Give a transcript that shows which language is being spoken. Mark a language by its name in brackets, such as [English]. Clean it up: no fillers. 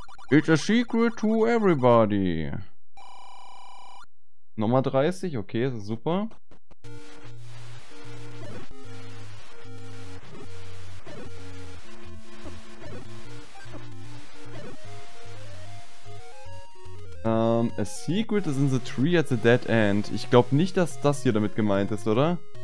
[English] It's a secret to everybody. [German] Nummer 30, okay, das ist super. [English] A secret is in the tree at the dead end. [German] Ich glaube nicht, dass das hier damit gemeint ist, oder?